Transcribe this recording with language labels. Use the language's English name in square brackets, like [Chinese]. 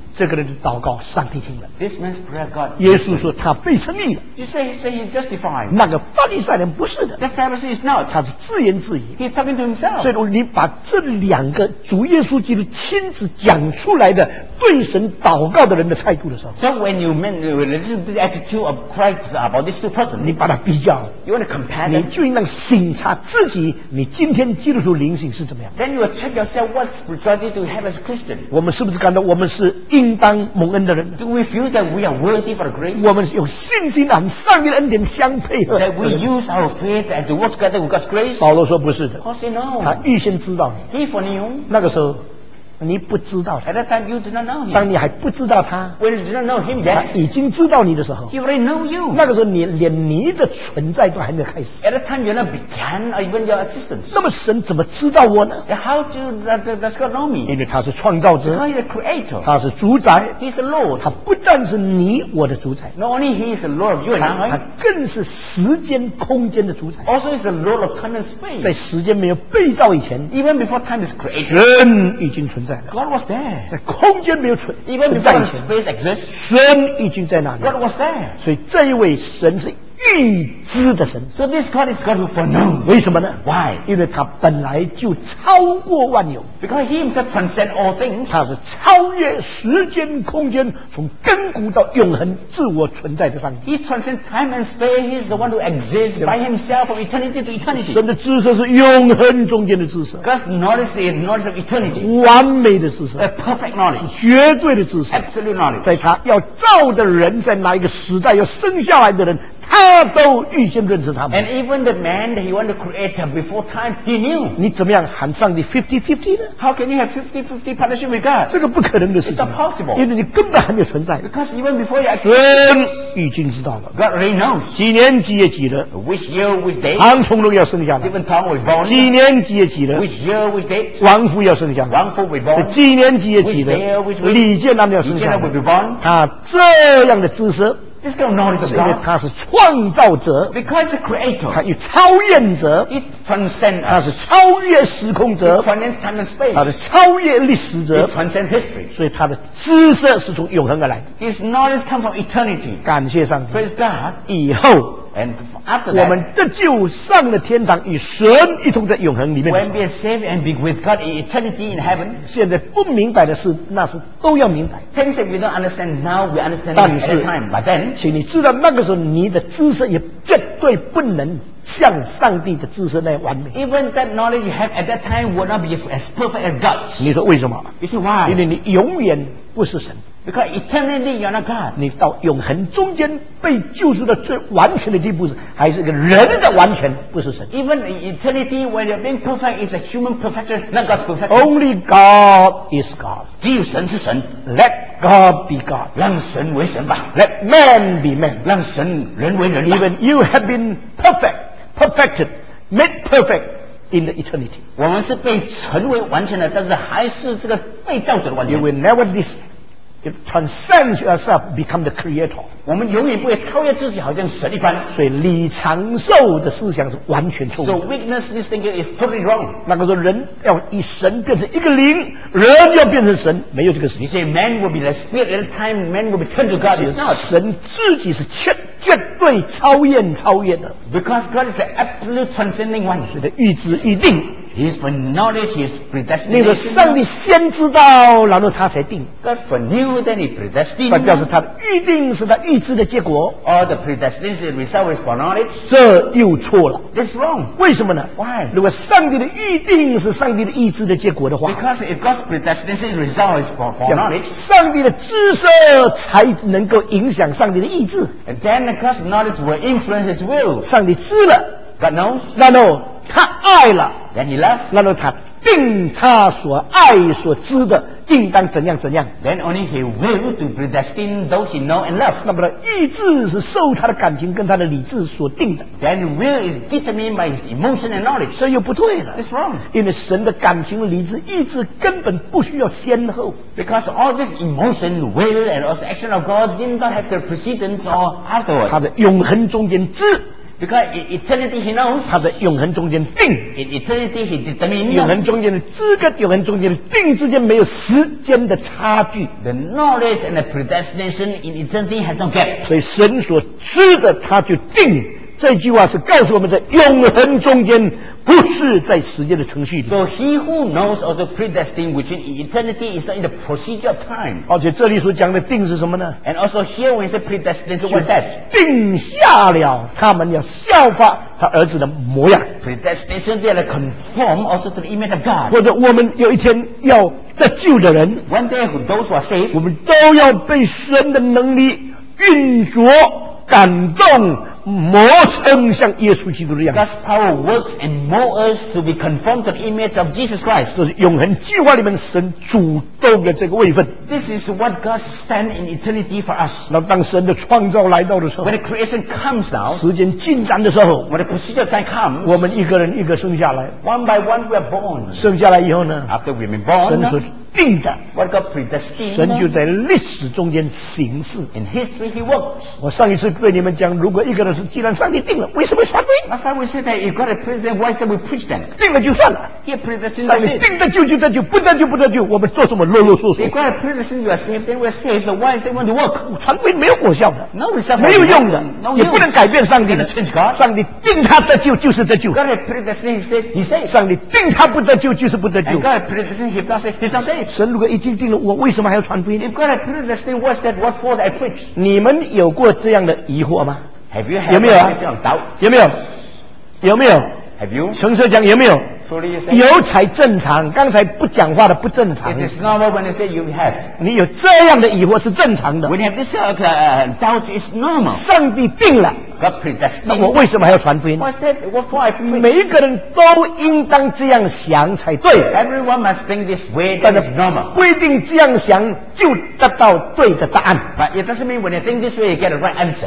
[Chinese] 这个人的祷告上帝听了 [English] This man's prayer God [Chinese] 耶稣说他被称义了 [English] You say he is justified [Chinese] 那个法利赛人不是的 [English] The Pharisee is not [Chinese] 他是自言自语 [English] He's talking to himself [Chinese] 所以你把这两个主耶稣基督亲自讲出来的对神祷告的人的态度的时候 [English] So when you mention this attitude of Christ about these two persons [Chinese] 你把它比较 [English] You want to compare [Chinese] 你就应当审查自己你今天基督徒灵性是怎么样 [English] Then you will check yourself what spirituality do you have as a Christian [Chinese] 我们是不是感到我们是应当蒙恩的人 [English] Do we feel that we are worthy for the grace [Chinese] 我们有信心和上帝的恩典相配合 [English] That we use our faith and to work together with God's grace [Chinese] 保罗说不是的 [English] Paul said no [Chinese] 他预先知道 [English] He for you [Chinese] 那个时候你不知道他 [English] At that time, you did not know him. [Chinese] 当你还不知道他 [English] When you did not know him yet, [Chinese] 他已经知道你的时候 [English] He already know you. [Chinese] 那个时候你连你的存在都还没有开始 [English] At that time you not began or even your existence [Chinese] 那么神怎么知道我呢 [English] yeah, How do does God know me? [Chinese] 因为他是创造者 [English] He is the creator [Chinese] 他是主宰 [English] He is the Lord [Chinese] 他不但是你我的主宰 [English] Not only he is the Lord of you and I [Chinese] 他更是时间空间的主宰 [English] Also is the Lord of time and space [Chinese] 在时间没有被造以前 [English] Even before time is created [Chinese] 神已经存在 [English] God was there. [Chinese] 在空间没有存在 [English] Even before space exists, [Chinese] 神已经在那里。 [English] God was there. [Chinese] 所以这一位神是预知的神。 [English] So this God is God who foreknows. [Chinese] 为什么呢 [English] ？Why? [Chinese] 因为他本来就超过万有。 [English] Because he himself transcends all things. [Chinese] 他是超越时间空间，从亘古到永恒自我存在的上帝。 He transcends time and space. [English] He's the one who exists by himself from eternity to eternity. [Chinese] 神的知识是永恒中间的知识。 [English] God's knowledge is knowledge of eternity. [Chinese] 完美的知识。 [English] A perfect knowledge. [Chinese] 绝对的知识。 [English] Absolute knowledge. [Chinese] 在他要造的人，在哪一个时代要生下来的人。他都预先认识他们 [English] And even the man that he wanted to create before time he knew [Chinese] 你怎么样喊上帝 50-50 呢 [English] How can you have 50-50 partnership with God [Chinese] 这个不可能的事情 [English] It's not possible [Chinese] 因为你根本还没有存在 [English] Because even before you actually [Chinese] 已经知道了 [English] God already knows [Chinese] 几年几月几日 [English] Which year which day [Chinese] 唐崇龙要生下来 [English] Stephen Tong was born [Chinese] 几年几月几日 [English] Which year which day [Chinese] 王夫要生下来 [English] 王夫 was born [Chinese] 几年几月几日 [English] Which year which week [Chinese] 李建南要生下来 [English] 李建南 will be born [Chinese] 他这样的知识 [English] This girl not even God. [Chinese] 因为他是创造者。 [English] Because the creator. [Chinese] 他有超越者。 [English] He transcends. [Chinese] 他是超越时空者。 [English] He transcends time and space. [Chinese] 他是超越历史者。 [English] He transcends history. [Chinese] 所以他的知识是从永恒而来。 [English] His knowledge comes from eternity. [Chinese] 感谢上帝。 [English] Praise God. [Chinese] 以后。 [English] And after that, [Chinese] 我们得救上了天堂，与神一同在永恒里面。 [English] When we are saved and be with God in eternity in heaven, [Chinese] 现在不明白的事，那是都要明白。 [English] Things that we don't understand now, we understand at the time. But then, [Chinese] 请你知道，那个时候你的知识也绝对不能像上帝的知识那样完美。 [English] Even that knowledge you have at that time will not be as perfect as God's. [Chinese] 你说为什么？ [English] You see why? [Chinese] 因为你永远不是神。 [English] Because eternally you're not God. [Chinese] 你到永恒中间被救赎的最完全的地步是还是一个人的完全不是神。 [English] Even eternity when you're being perfect is a human perfection, not God's perfection. Only God is God. [Chinese] 只有神是神。 [English] Let God be God. [Chinese] 让神为神吧。 [English] Let man be man. [Chinese] 让神人为人吧。 [English] Even you have been perfect, perfected, made perfect. In the eternity, [Chinese] 我们是被成为完全的，但是还是这个被造者的完全。 [English] You will never this, if transcend yourself, become the creator. [Chinese] 我们永远不会超越自己，好像神一般。所以李长寿的思想是完全错误。 [English] So witness this thinking is totally wrong. [Chinese] 那个说人要以神变成一个灵，人要变成神，没有这个事。 [English] You say man will be the spirit at the time, man will be turned to God. It's not. [Chinese] 神自己是切。绝对超越超越的 [English] because God is the absolute transcending one [Chinese] 所以他预知预定 [English] His foreknowledge is predestination [Chinese] 那个上帝先知道然后他才定 [English] God foreknew then he predestined [Chinese] 那表示他的预定是他预知的结果 [English] or the predestination result is foreknowledge [Chinese] 这又错了 [English] That's wrong [Chinese] 为什么呢 [English] Why [Chinese] 如果上帝的预定是上帝的预知的结果的话 [English] because if God's predestination result is foreknowledge [Chinese] 上帝的知识才能够影响上帝的意志 [English] and then And God's knowledge will influence His will. [Chinese] 上帝知了 [English] God knows. [Chinese] 然后他爱了 [English] Then He loves. [Chinese] 然后他定他所爱所知的定当怎样怎样 [English] Then only He will to predestine those He know and love. [Chinese] 那么意志是受他的感情跟他的理智所定的 [English] Then will is determined by His emotion and knowledge. [Chinese] 这又不对了 [English] It's wrong. [Chinese] 因为神的感情、理智、意志根本不需要先后 [English] Because all this emotion, will and also action of God did not have the precedence or afterward. [Chinese] 他的永恒中间知 [English] Because in eternity he knows, [Chinese] 他的永恒中间定 [English] in eternity he determines, [Chinese] 永恒中间的知跟永恒中间的定之间没有时间的差距 [English] The knowledge and the predestination in eternity has no gap [Chinese] 所以神所知的他就定这句话是告诉我们在永恒中间不是在时间的程序里 [English] So he who knows of the predestined which in eternity is not in the procedure of time [Chinese] 而且这里所讲的定是什么呢 [English] And also here when he said predestined so what's that [Chinese] 定下了他们要效法他儿子的模样 [English] Predestination they are conform also to the image of God [Chinese] 或者我们有一天要得救的人 [English] One day those who are saved [Chinese] 我们都要被神的能力运作感动磨成像耶稣基督的样子 [English] God's power works and mold us to be conformed to the image of Jesus Christ [Chinese] 这是永恒计划里面神主动的这个位分 [English] This is what God stands in eternity for us [Chinese] 那当神的创造来到的时候 [English] When the creation comes now [Chinese] 时间进展的时候 [English] When the procedure time comes [Chinese] 我们一个人一个生下来 [English] One by one we are born [Chinese] 生下来以后呢 [English] After we've been born [Chinese] 神说定的 [English] What God predestined [Chinese] 神就在历史中间行事 [English] In history he works [Chinese] 我上一次对你们讲如果一个人既然上帝定了为什么反对 [English] Last time we said that you got a predestined why should we preach then [Chinese] 定了就算了 [English] He predestined [Chinese] 上帝定的就得救不得救不得救我们做什么啰啰嗦嗦 [English] You got a predestined you are saved then we are saved so why is they want to work [Chinese] 传福音没有果效的 [English] No result [Chinese] 没有用的 [English] No use [Chinese] 也不能改变上帝 [English] Cannot change God [Chinese] 上帝定他得救就是得救 [English] God predestined he said he saved [Chinese] 上帝定他不得救就是不得救 [English] And God predestined he not saved he not saved [Chinese] 神如果已经定了我为什么还要传福音 [English] You got a predestined what's that what for I preach [Chinese] 你们有过这样的疑惑吗 [English] Have you had [Chinese] 有没有、啊、有没有有没有 [English] Have you? [Chinese] 诚实讲有没有 [English] so do you say [Chinese] 有才正常刚才不讲话的不正常 [English] It is normal when I say you have [Chinese] 你有这样的疑惑是正常的 [English] When you have this doubt it's normal [Chinese] 上帝定了 [English] God predestined. [Chinese] 那我为什么还要传福音 [English] What's that? What for I preach? [Chinese] 每一个人都应当这样想才对 [English] Everyone must think this way that is normal [Chinese] 不一定这样想就得到对的答案 [English] But it doesn't mean when you think this way you get the right answer